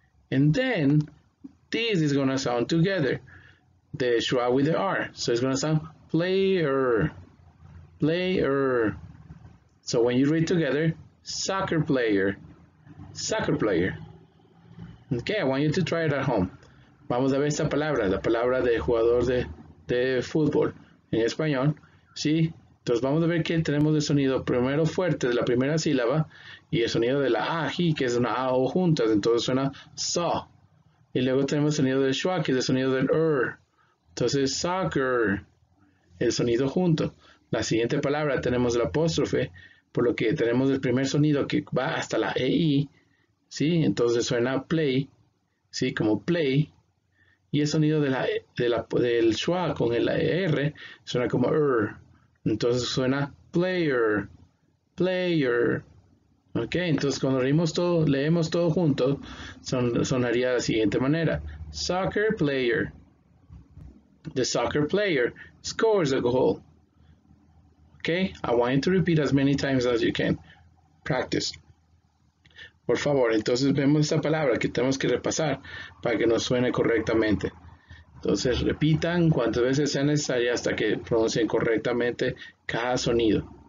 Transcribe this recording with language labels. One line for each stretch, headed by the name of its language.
English: And then this is gonna sound together, the schwa with the R. So it's gonna sound player, player. So when you read together, soccer player, soccer player. Okay, I want you to try it at home.
Spanish: Vamos a ver esta palabra, la palabra de jugador de fútbol en español, ¿sí? Entonces vamos a ver que tenemos el sonido primero fuerte de la primera sílaba y el sonido de la A, que es una A o juntas, entonces suena so. Y luego tenemos el sonido del schwa, que es el sonido del R. Entonces soccer, el sonido junto. La siguiente palabra tenemos la apóstrofe, por lo que tenemos el primer sonido que va hasta la EI, ¿sí? Entonces suena play, ¿sí? Como play. Y el sonido de del schwa con el R suena como R. Entonces suena
English: player, player.
Spanish: Ok, entonces cuando leemos todo junto, sonaría de la siguiente manera.
English: Soccer player. The soccer player scores a goal. Ok, I want you to repeat as many times as you can. Practice.
Spanish: Por favor, entonces vemos esta palabra que tenemos que repasar para que nos suene correctamente. Entonces repitan cuantas veces sea necesaria hasta que pronuncien correctamente cada sonido.